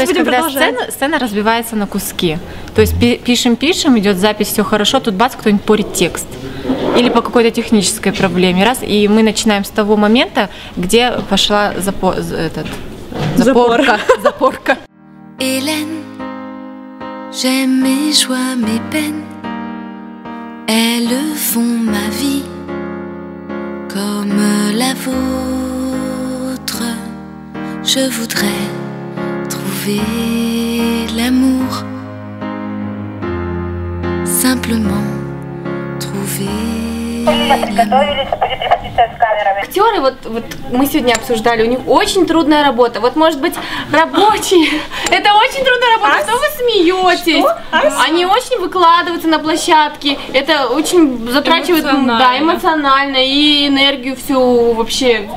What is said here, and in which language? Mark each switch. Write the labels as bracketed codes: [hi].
[ru] это, будем продолжать. Сцена разбивается на куски. То есть пишем, идет запись, все хорошо, тут бац, кто-нибудь порит текст. Или по какой-то технической проблеме. Раз, и мы начинаем с того момента, где пошла запорка. [fr] Элен, j'ai mes joies, mes peines, elles font ma vie comme la vôtre. Je voudrais trouver l'amour, simplement trouver. [ru] Актеры, вот мы сегодня обсуждали, у них очень трудная работа. Вот, может быть, рабочие. Это очень трудная работа. Что вы смеетесь? Они очень выкладываются на площадке. Это очень затрачивает эмоционально и энергию всю вообще.